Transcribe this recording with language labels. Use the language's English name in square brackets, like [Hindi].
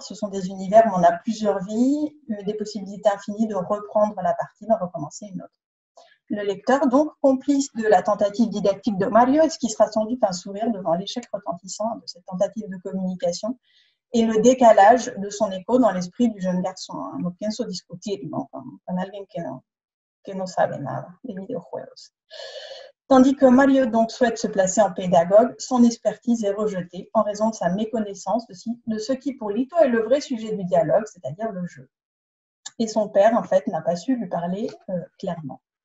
[French] Ce sont des univers où on a plusieurs vies, des possibilités infinies de reprendre la partie, d'en recommencer une autre. Le lecteur, donc, complice de la tentative didactique de Mario, esquissera sans doute un sourire devant l'échec retentissant de cette tentative de communication et le décalage de son écho dans l'esprit du jeune garçon. [Spanish] No pienso discutir con alguien que no sabe nada de videojuegos. [French] Tandis que Mario donc souhaite se placer en pédagogue, son expertise est rejetée en raison de sa méconnaissance de ce qui pour Lito est le vrai sujet du dialogue, c'est-à-dire le jeu. Et son père, en fait, n'a pas su lui parler clairement.